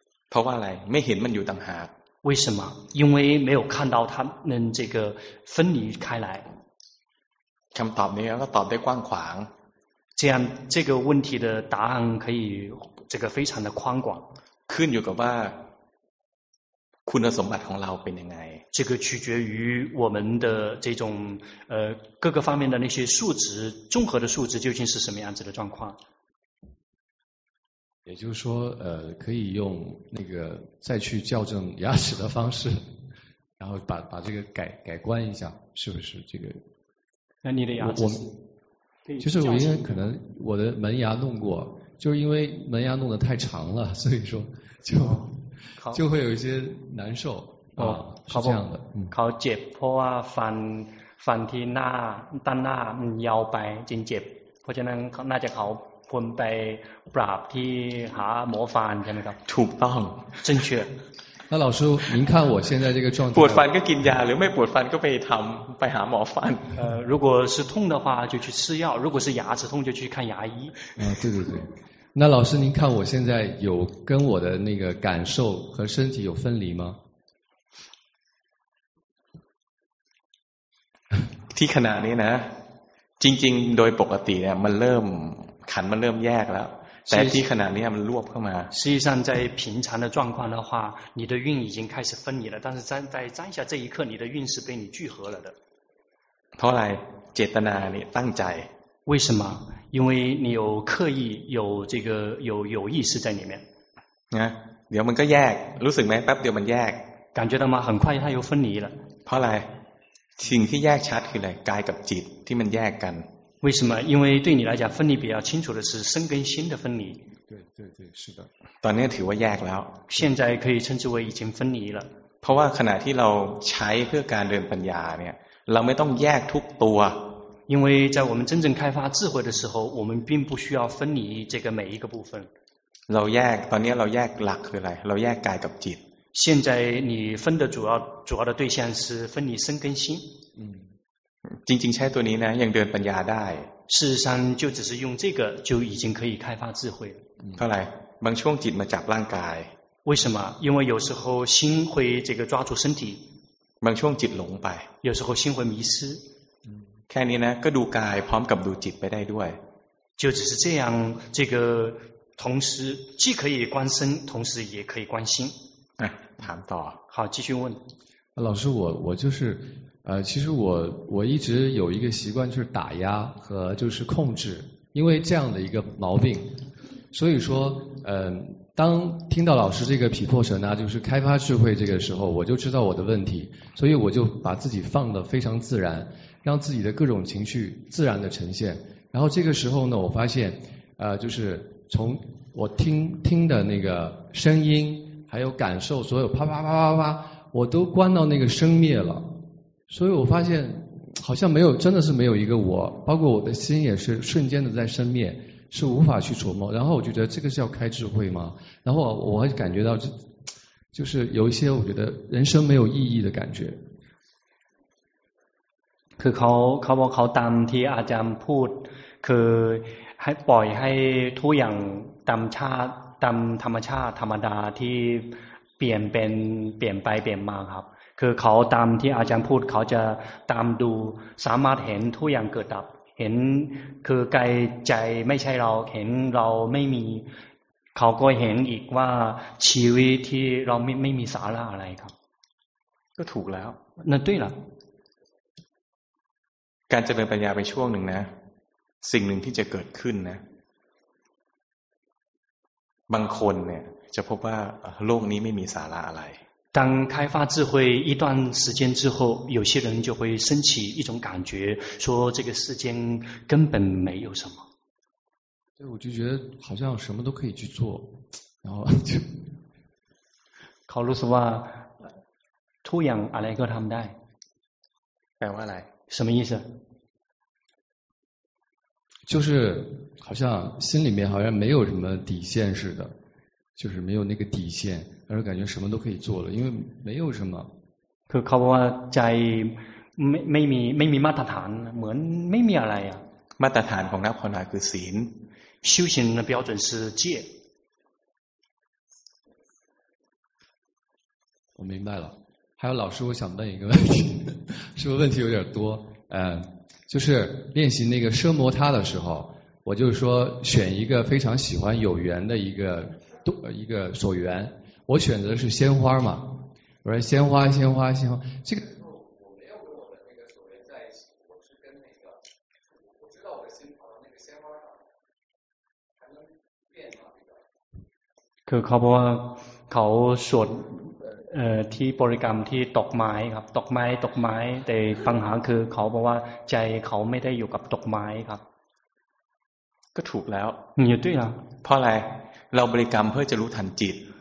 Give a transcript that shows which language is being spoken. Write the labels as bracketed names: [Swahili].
[Thai] เพราะว่าอะไรไม่เห็นมันอยู่ต่างหาก [Chinese] 为什么因为没有看到他们这个分离开来 [Thai] คำตอบนี้ก็ตอบได้กว้างขวาง [Chinese] 这样这个问题的答案可以这个非常的宽广 [Thai] ขึ้นอยู่กับว่าคุณสมบัติของเราเป็นยังไง [Chinese] 这个取决于我们的这种各个方面的那些数值综合的数值究竟是什么样子的状况也就是说可以用那个再去校正牙齿的方式然后把这个改观一下是不是这个那你的牙齿是就是我因为可能我的门牙弄过就是因为门牙弄得太长了所以说就会有一些难受是这样的考解剖啊反提那但那腰白经解剖就能那就考 [Thai] คนไปปราบที่หาหมอฟันใช่ไหมครับ ถูกต้อง [Chinese] 正确那老师您看我现在这个状态 [Thai] ปวดฟันก็กินยาหรือไม่ปวดฟันก็ไปทำไปหาหมอฟัน [Chinese] 如果是痛的话就去吃药如果是牙齿痛就去看牙医对对对那老师您看我现在有跟我的那个感受和身体有分离吗？ [Thai] ที่ขณะนี้นะจริงๆโดยปกติเนี่ยมันเริ่มขันมันเริ่มแยกแล้วแต่ที่ขณะนี้มันรวบเข้ามา [Chinese] 实际上在平常的状况的话你的运已经开始分离了但是在当下这一刻你的运是被你聚合了的 [Thai] เพราะอะไรเจตนาเนี่ยตั้งใจ [Chinese] 为什么因为你有刻意有这个有意识在里面 [Thai] นะเดี๋ยวมันก็แยกรู้สึกไหมแป๊บเดียวมันแยก [Chinese] 感觉到吗很快它又分离了 [Thai] เพราะอะไรสิ่งที่แยกชัดคืออะไรกายกับจิตที่มันแยกกัน [Chinese] 为什么因为对你来讲分离比较清楚的是身跟心的分离对对对是的 [Thai] ตอนนี้ถือว่าแยกแล้ว [Chinese] 现在可以称之为已经分离了 [Thai] เพราะว่าขณะที่เราใช้เพื่อการเดินปัญญาเนี่ยเราไม่ต้องแยกทุกตัว [Chinese] 因为在我们真正开发智慧的时候我们并不需要分离这个每一个部分 [Thai] เราแยกตอนนี้เราแยกหลักคืออะไรเราแยกกายกับจิต [Chinese] 现在你分的主要的对象是分离身跟心。嗯，仅仅 [Thai] ใช้ตัวนี้นะยังเดินปัญญาได้ [Chinese] 事实上就只是用这个就已经可以开发智慧了。 [Thai] เท่าไหร่บางช่วงจิตมาจับร่างกาย [Chinese] 为什么因为有时候心会这个抓住身体 [Thai] บางช่วงจิตหลงไป [Chinese] 有时候心会迷失 [Thai] แค่นี้นะก็ดูกายพร้อมกับดูจิตไปได้ด้วย [Chinese] 就只是这样这个同时既可以观身同时也可以观心谈到好继续问老师我就是其实我一直有一个习惯就是打压和就是控制因为这样的一个毛病所以说当听到老师这个毗婆舍那就是开发智慧这个时候我就知道我的问题所以我就把自己放得非常自然让自己的各种情绪自然的呈现然后这个时候呢我发现就是从我听的那个声音还有感受所有啪啪啪啪啪我都关到那个生灭了所以我发现好像没有真的是没有一个我包括我的心也是瞬间的在生灭是无法去琢磨然后我就觉得这个是要开智慧吗然后我还感觉到就是有一些我觉得人生没有意义的感觉 [Thai] คือเขาบอกเขาตามที่อาจารย์พูดคือให้ปล่อยให้ทุกอย่างตามชาติตามธรรมชาติธรรมดาที่เปลี่ยนไปเปลี่ยนมาครับคือเขาตามที่อาจารย์พูดเขาจะตามดูสามารถเห็นทุกอย่างเกิดดับเห็นคือกายใจไม่ใช่เราเห็นเราไม่มีเขาก็เห็นอีกว่าชีวิตที่เราไม่มีสาระอะไรครับ ก็ถูกแล้ว นั่นด้วยล่ะ การเจริญปัญญาไปช่วงหนึ่งนะสิ่งหนึ่งที่จะเกิดขึ้นนะบางคนเนี่ยจะพบว่าโลกนี้ไม่มีสาระอะไร [Chinese] 当开发智慧一段时间之后有些人就会升起一种感觉说这个世间根本没有什么对我就觉得好像什么都可以去做然后就 [Thai] เขารู้สึกว่าทุกอย่างอะไรก็ทำได้ แปลว่าอะไร [Chinese] 什么意思就是好像心里面好像没有什么底线似的就是没有那个底线而感觉什么都可以做了因为没有什么 [Thai] คือเขาบอกว่าใจไม่มีมาตรฐานเหมือนไม่มีอะไรอ่ะ มาตรฐานของนักภาวนาคือศีล [Chinese] 修行的标准是戒我明白了还有老师我想问一个问题是不是问题有点多就是练习那个奢摩他的时候我就是说选一个非常喜欢有缘的一个所缘我选择的是鲜花嘛我说鲜花鲜花鲜花这个我没有跟我的那个所缘在一起我是跟那个我知道我的心跑到那个鲜花上还能变吗 [Thai] คือเขาบอกว่าเขาสวดที่บริกรรมที่ตกไม้ครับตกไม้แต่ปัญหาคือเขาบอกว่าใจเขาไม่ได้อยู่กับตกไม้ครับ ก็ถูกแล้ว อยู่ด้วย เพราะอะไรเราบริกรรมเพื่อจะรู้ทันจิต